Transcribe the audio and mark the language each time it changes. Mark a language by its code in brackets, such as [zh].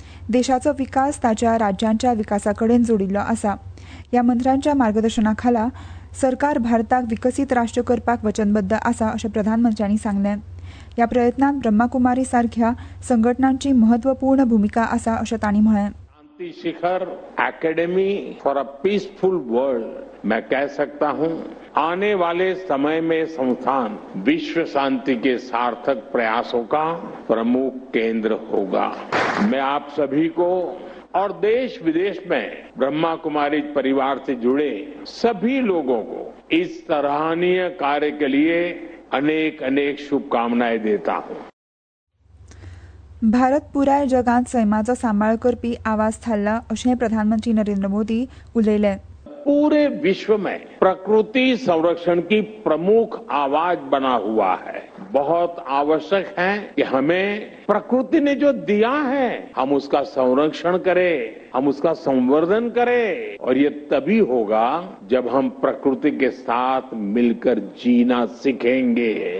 [gom] देशाचा विकास ताच्या राज्यांच्या विकासाकडेन जोडिल्लो असा. या मंत्र्यांच्या मार्गदर्शनाखाला सरकार भारताक विकसित राष्ट्र करपाक वचनबद्ध असा असे प्रधानमंत्र्यांनी सांगले. या प्रयत्नात ब्रह्माकुमारी सारख्या संघटनांची महत्वपूर्ण भूमिका असा असे त्यांनी म्हणले. [hi] शांती शिखर academy for a peaceful world, मैं कह सकता हूं आने वाले समय में संस्थान विश्व शांति के सार्थक प्रयासों का प्रमुख केंद्र होगा. मैं आप सभी को और देश विदेश में ब्रह्मा कुमारी परिवार से जुड़े सभी लोगों को इस सराहनीय कार्य के लिए अनेक अनेक शुभकामनाएं देता हूं. [gom] भारत पुराय जगात सैमाचा सांभाळ करपी आवाज थाल्ला असे प्रधानमंत्री नरेंद्र मोदी उलयले. [hi] पूरे विश्व में प्रकृति संरक्षण की प्रमुख आवाज बना हुआ है. बहुत आवश्यक है कि हमें प्रकृति ने जो दिया है हम उसका संरक्षण करें, हम उसका संवर्धन करें. और ये तभी होगा जब हम प्रकृति के साथ मिलकर जीना सीखेंगे.